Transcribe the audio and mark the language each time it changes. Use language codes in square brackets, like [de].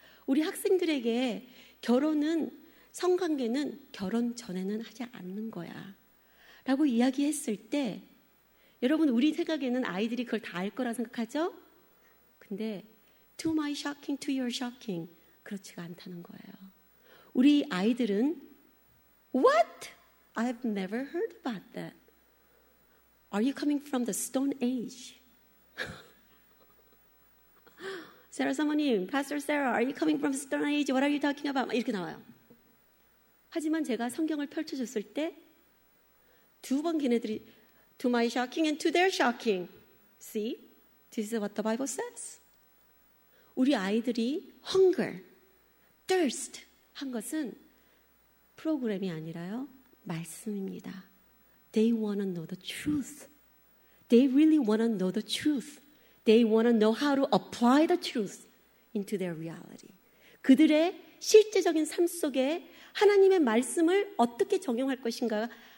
[ko] 우리 학생들에게 결혼은, 성관계는 결혼 전에는 하지 않는 거야 라고 이야기했을 때, 여러분 우리 생각에는 아이들이 그걸 다 알 거라 생각하죠? 근데 [en] to my shocking, to your shocking, [ko] 그렇지가 않다는 거예요. 우리 아이들은 [en] What? I've never heard about that. Are you coming from the Stone Age? Sarah 사모님, Pastor Sarah, are you coming from the Stone Age? What are you talking about? [ko] 이렇게 나와요. 하지만 제가 성경을 펼쳐줬을 때 두 번 걔네들이 [en] To my shocking and to their shocking. See? This is what the Bible says. [ko] 우리 아이들이 [en] hunger, thirst [ko] 한 것은 프로그램이 아니라요. 말씀입니다. [en] They want to know the truth. They really want to know the truth. They want to know how to apply the truth into their reality. [ko] 그들의 실제적인 삶 속에 하나님의 말씀을 어떻게 적용할 것인가?